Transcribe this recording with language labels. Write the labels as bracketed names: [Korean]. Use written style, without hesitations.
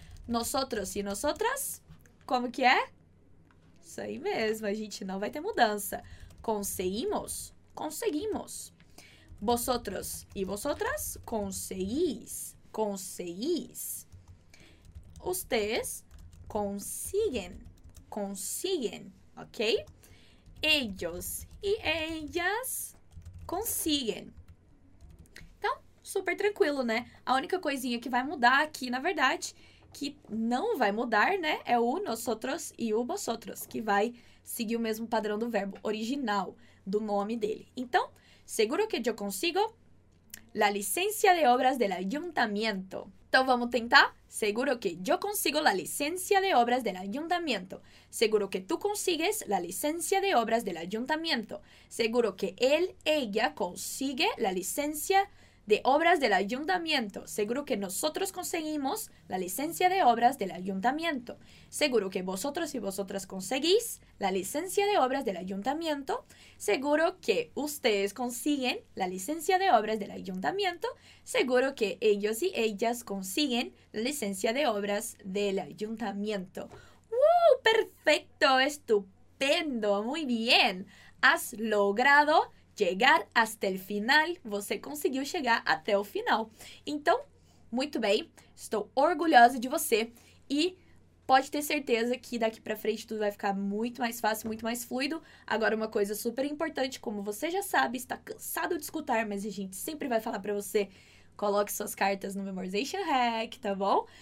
[Spanish] Nosotros e nosotras, [Portuguese] como que é? Isso aí mesmo, a gente não vai ter mudança. [Spanish] Conseguimos, conseguimos. Vosotros e vosotras, conseguís, conseguís. Ustedes consiguen. Consiguen, ok? Ellos e ellas consiguen. [Portuguese] Então, super tranquilo, né? A única coisinha que vai mudar aqui, na verdade, que não vai mudar, né? É o nosotros e o vosotros, que vai seguir o mesmo padrão do verbo original do nome dele. Então, [Spanish] seguro que yo consigo la licencia de obras del ayuntamiento. [Portuguese] Então vamos tentar? [Spanish] Seguro que yo consigo la licencia de obras del ayuntamiento. Seguro que tú consigues la licencia de obras del ayuntamiento. Seguro que él, ella consigue la licencia de obras del ayuntamiento. Seguro que nosotros conseguimos la licencia de obras del ayuntamiento. Seguro que vosotros y vosotras conseguís la licencia de obras del ayuntamiento. Seguro que ustedes consiguen la licencia de obras del ayuntamiento. Seguro que ellos y ellas consiguen la licencia de obras del ayuntamiento. Perfecto, estupendo, muy bien. Has logrado [Portuguese] chegar até o final, você conseguiu chegar até o final. Então, muito bem, estou orgulhosa de você e pode ter certeza que daqui para frente tudo vai ficar muito mais fácil, muito mais fluido. Agora, uma coisa super importante, como você já sabe, está cansado de escutar, mas a gente sempre vai falar para você, coloque suas cartas no Memorization Hack, tá bom?